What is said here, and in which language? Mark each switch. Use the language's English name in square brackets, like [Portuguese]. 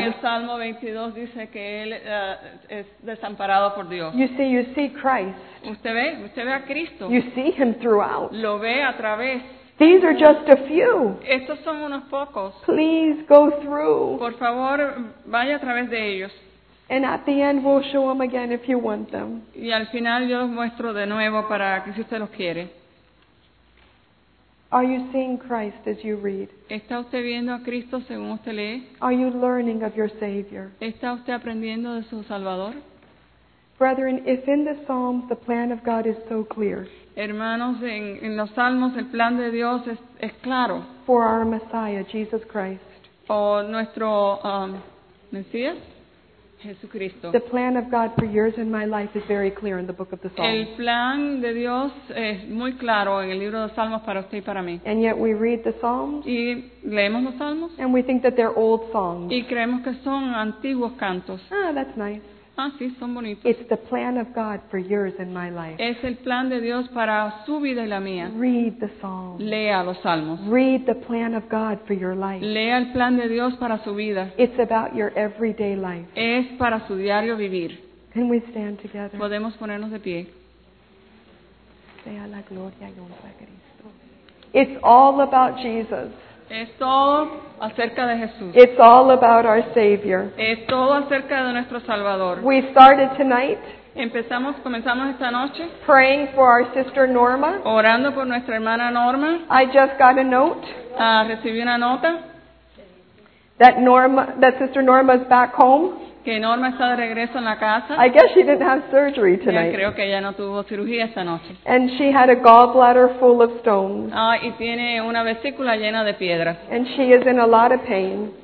[English] You see Christ. [Spanish] Usted ve a Cristo. [English] You see him throughout. [Spanish] Lo ve a través. [English] These are just a few. [Spanish] Estos son unos pocos. [English] Please go through. [Spanish] Por favor, vaya a través de ellos. [English] And at the end, we'll show them again if you want them. [Spanish] Y al final, yo los muestro de nuevo para que si usted los quiere. [English] Are you seeing Christ as you read? [Spanish] ¿Está usted viendo a Cristo según usted lee? [English] Are you learning of your Savior? [Spanish] ¿Está usted aprendiendo de su Salvador? [English] Brethren, if in the Psalms the plan of God is so clear. [Spanish] Hermanos, en los Salmos el plan de Dios es claro. [English] for our Messiah, Jesus Christ. [Spanish] Por nuestro Mesías. Jesucristo. [English] The plan of God for yours and my life is very clear in the book of the Psalms. [Spanish] El plan de Dios es muy claro en el libro de los Salmos para usted y para mí. [English] And yet we read the Psalms. [Spanish] Y leemos los Salmos. [English] And we think that they're old songs. [Spanish] Y creemos que son antiguos cantos. [English] Ah, that's nice. [Spanish] Ah, sí, son bonitos. [English] It's the plan of God for yours and my life. [Spanish] Es el plan de Dios para su vida y la mía. [English] Read the Psalms. [Spanish] Lea los Salmos. [English] Read the plan of God for your life. [Spanish] Lea el plan de Dios para su vida. [English] It's about your everyday life. [Spanish] Es para su diario vivir. [English] Can we stand together? [Spanish] Podemos ponernos de pie. Sea la gloria y honra a Cristo. [English] It's all about Jesus. [Spanish] Es todo acerca de Jesús. [English] It's all about our Savior. [Spanish] Es todo acerca de nuestro Salvador. [English] We started tonight. [Spanish] Comenzamos esta noche. [English] Praying for our sister Norma. [Spanish] Orando por nuestra hermana Norma. [English] I just got a note. [Spanish] Recibí una nota. [English] That sister Norma's back home. [Spanish] Que Norma está de regreso en la casa. [English] I guess she didn't have surgery tonight. [Spanish] Creo que ella no tuvo cirugía esta noche. [English] And she had a gallbladder full of stones. [Spanish] Y tiene una vesícula llena de piedras. [English] And she is in a lot of pain.